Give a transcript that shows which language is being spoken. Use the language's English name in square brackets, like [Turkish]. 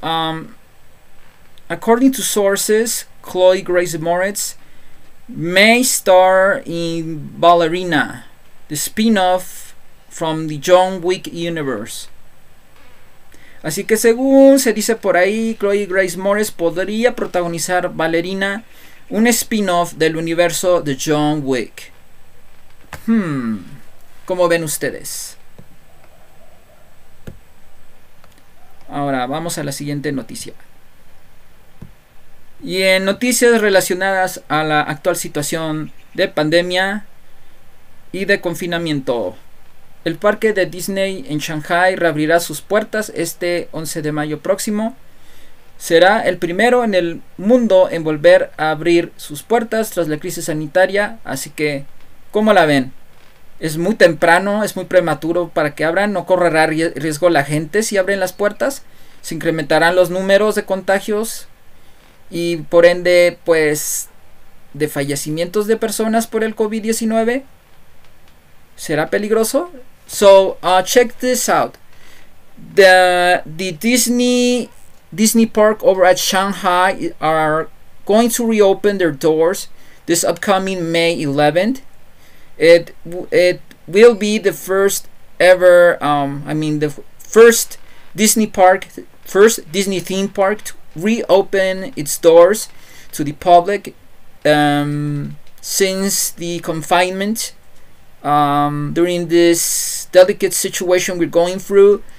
[English] According to sources, Chloe Grace Moretz may star in Ballerina, the spin-off from the John Wick universe. [Spanish] Así que según se dice por ahí, Chloe Grace Moretz podría protagonizar Ballerina, un spin-off del universo de John Wick. ¿Cómo ven ustedes? Ahora vamos a la siguiente noticia. Y en noticias relacionadas a la actual situación de pandemia y de confinamiento, el parque de Disney en Shanghai reabrirá sus puertas este 11 de mayo próximo. Será el primero en el mundo en volver a abrir sus puertas tras la crisis sanitaria. Así que, ¿cómo la ven? Es muy temprano, es muy prematuro para que abran. No correrá riesgo la gente si abren las puertas. Se incrementarán los números de contagios y por ende, pues, de fallecimientos de personas por el COVID-19. ¿Será peligroso? [English] So, check this out. The Disney Park over at Shanghai are going to reopen their doors this upcoming May 11th. It will be the first ever, I mean the first Disney park, first Disney theme park to reopen its doors to the public since the confinement during this delicate situation we're going through.